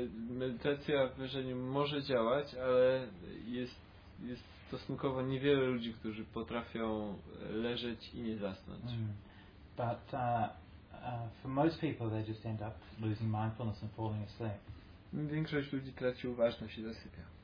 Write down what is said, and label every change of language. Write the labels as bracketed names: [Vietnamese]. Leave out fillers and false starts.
[Polish] Medytacja w leżeniu może działać, ale jest stosunkowo niewiele ludzi, którzy potrafią leżeć i nie zasnąć. [English] But for most people, they just end up losing mindfulness and falling asleep. [Polish] Większość ludzi traci uważność i zasypia.